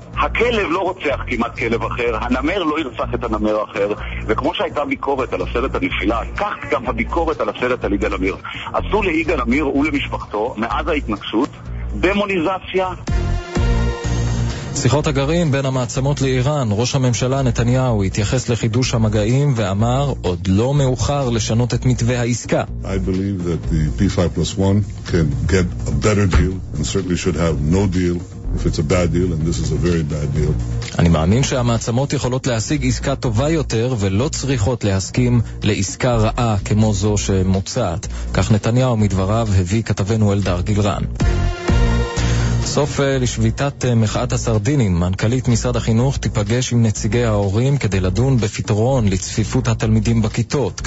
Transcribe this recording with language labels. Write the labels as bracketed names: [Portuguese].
[Hebrew] הכלב לא רוצח כמעט כלב אחר, הנמר לא ירצח את הנמר אחר, וכמו שהייתה ביקורת על הסרט הנפילה, כך גם הביקורת על הסרט על יגאל אמיר. עשו ליגאל אמיר ולמשפחתו, מאז ההתנגשות, דמוניזציה. שיחות הגרעין בין המעצמות לאיראן, ראש הממשלה נתניהו התייחס לחידוש המגעים ואמר עוד לא מאוחר לשנות את מתווה העסקה. [English] I believe that the P5+1 can get a better deal and certainly should have no deal if it's a bad deal and this is a very bad deal. [Hebrew] אני מאמין שהמעצמות יכולות להשיג עסקה טובה יותר ולא צריכות להסכים לעסקה רעה כמו זו שמוצעת. כך נתניהו מדבריו הביא כתבנו אלדר גילרן. סוף לשביתת מחאת הסרדינים, מנכלית משרד החינוך תיפגש עם נציגי ההורים כדי לדון בפתרון לצפיפות התלמידים בכיתות.